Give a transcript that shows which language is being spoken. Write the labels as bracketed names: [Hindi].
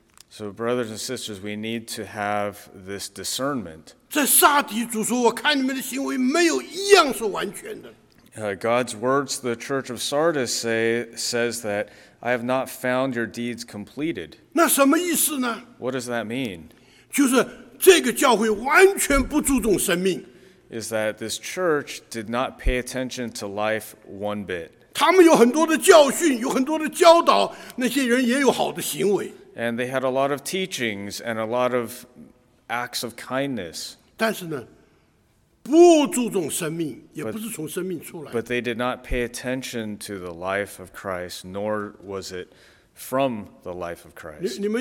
[English] so, brothers and sisters, we need to have this discernment. [Chinese] 在撒底主说, [English] God's words, the Church of Sardis says that I have not found your deeds completed. [Chinese] 那什么意思呢? [English] What does that mean? [Chinese] 就是这个教会完全不注重生命。 [English] Is that this church did not pay attention to life one bit. [Chinese] 他们有很多的教训，有很多的教导，那些人也有好的行为。 [English] And they had a lot of teachings and a lot of acts of kindness. [Chinese] 但是呢, 不注重生命，也不是从生命出来。 [English] But they did not pay attention to the life of Christ, nor was it from the life of Christ.